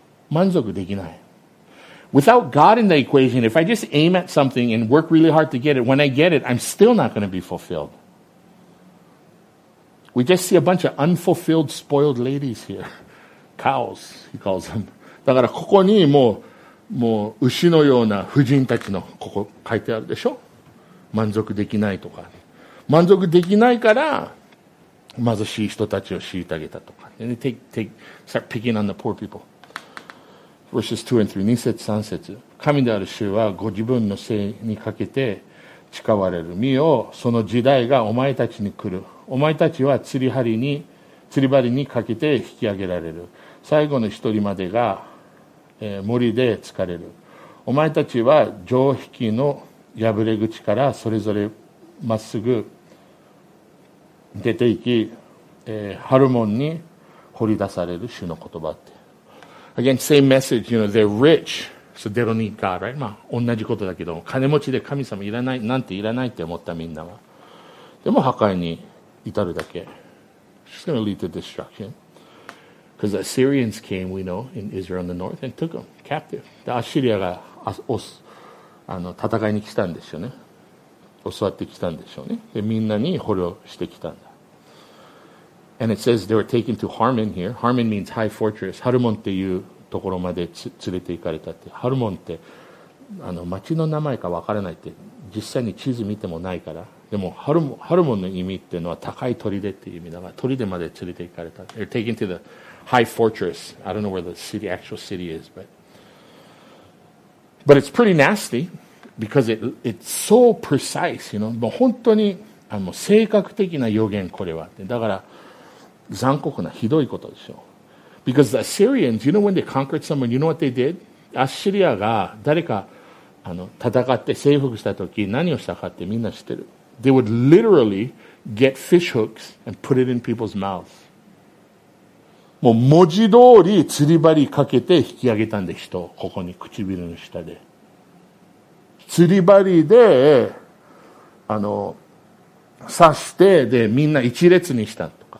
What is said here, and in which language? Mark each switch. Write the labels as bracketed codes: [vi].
[ja] 満足できない。 [en] Without God in the equation, if I just aim at something and work really hard to get it, when I get it, I'm still not going to be fulfilled. We just see a bunch of unfulfilled, spoiled ladies here. Cows, he calls them. [ja] だからここにもう牛のような婦人たちのここ書いてあるでしょ。満足できないとか。満足できないから貧しい人たちを虐げたとか。 [en] And they take, start picking on the poor people. Verses 2 and 3, [ja] 2節3節。神である主はご自分の姓にかけて誓われる。見よ、その時代がお前たちに来る。お前たちは釣り針にかけて引き上げられる。最後の一人までが、森で疲れる。お前たちは城壁の破れ口からそれぞれまっすぐ出て行き、ハルモンに掘り出される主の言葉って。 [en] Again, same message, you know, they're rich, so they don't need God, right? [ja] まあ、同じことだけど、金持ちで神様いらない、なんていらないって思ったみんなは。でも、破壊に至るだけ。 [en] She's gonna lead to destruction. Because the Assyrians came, we know, in Israel in the north, and took them captive. [ja] で、アッシリアが、戦いに来たんですよね。襲ってきたんでしょうね。で、みんなに捕虜してきたんだ。 [en] And it says they were taken to Harmon here. Harmon means high fortress. [ja] ハルモンっていうところまで連れて行かれたって。ハルモンって、町の名前かわからないって、実際に地図見てもないから。でも、ハルモンの意味っていうのは高い砦っていう意味だから、砦まで連れて行かれた。 [en] They're taken to the high fortress. I don't know where the city, actual city is, but it's pretty nasty because it's so precise, you know. [ja] もう本当に、正確的な予言、これは。だから、残酷なひどいことでしょ。 [en] Because the Assyrians, you know when they conquered someone, you know what they did? [ja] アッシリアが誰か戦って征服したとき何をしたかってみんな知ってる。 [en] They would literally get fish hooks and put it in people's mouths. [ja] もう文字通り釣り針かけて引き上げたんで人、ここに唇の下で。釣り針で、刺して、で、みんな一列にした。